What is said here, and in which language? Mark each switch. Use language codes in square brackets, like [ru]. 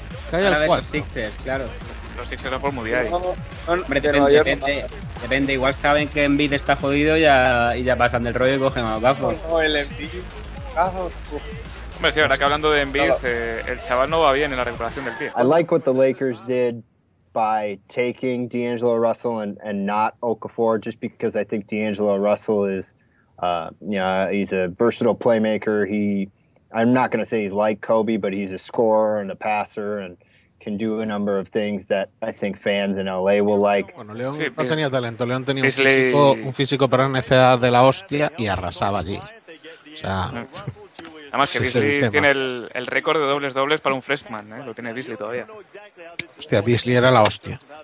[es] Cae al 4. Los Sixers, claro. Los Sixers por Mudiay. Depende, igual saben que Embiid está jodido y ya pasan del rollo y cogen a Okafor. No, el Embiid. Hombre, sí, ahora que hablando de Embiid, el chaval no va bien en la recuperación del pie. [en] I like what the Lakers did by taking D'Angelo Russell and not Okafor, just because I think D'Angelo Russell is, he's a versatile playmaker. I'm not going to say he's like Kobe, but he's a scorer and a passer and can do a number of things that I think fans in LA will like. [es] Bueno, León sí, no tenía talento. León tenía un físico para necesidad de la hostia y arrasaba allí. O sea, además que Beasley tiene el récord de dobles para un freshman, ¿eh? Lo tiene Beasley todavía. Hostia, Beasley era la hostia.